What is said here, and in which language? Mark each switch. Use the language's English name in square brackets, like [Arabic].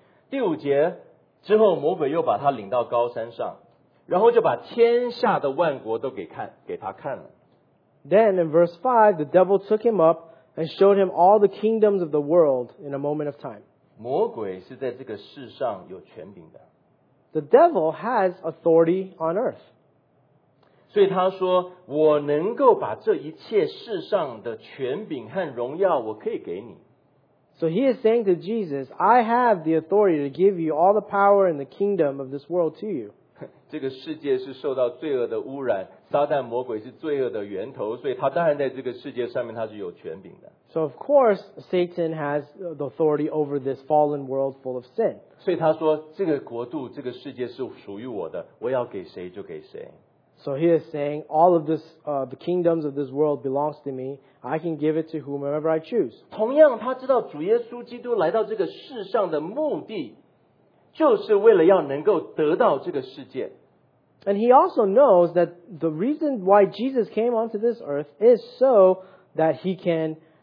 [Chinese] 第五节之后，魔鬼又把他领到高山上，然后就把天下的万国都给他看了。 [English] Then in verse 5, the devil took him up and showed him all the kingdoms of the world in a moment of time. [Chinese] 魔鬼是在这个世上有权柄的。 [English] The devil has authority on earth. [Chinese] 所以他说，我能够把这一切世上的权柄和荣耀我可以给你。 [English] So he is saying to Jesus, I have the authority to give you all the power and the kingdom of this world to you. [Chinese] 这个世界是受到罪恶的污染，撒旦魔鬼是罪恶的源头，所以他当然在这个世界上面他是有权柄的。 [English] So of course, Satan has the authority over this fallen world full of sin. [Chinese] 所以他说，这个国度，这个世界是属于我的，我要给谁就给谁。 [English] So he is saying, all of this, the kingdoms of this world belongs to me, I can give it to whomever I choose. [Chinese] 同样，他知道主耶稣基督来到这个世上的目的就是为了要能够得到这个世界。 [English] And he also knows that the reason why Jesus came onto this earth is so that he can